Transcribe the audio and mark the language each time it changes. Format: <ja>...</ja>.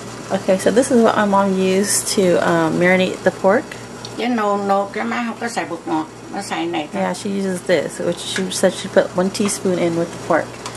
<en>Okay, so this is what my mom used to marinate the pork.</en> <vi>Yeah, no, cái má không có xài bột ngọt, nó xài này thôi.</vi> <en>Yeah, she uses this, which she said she put one teaspoon in with the pork.</en>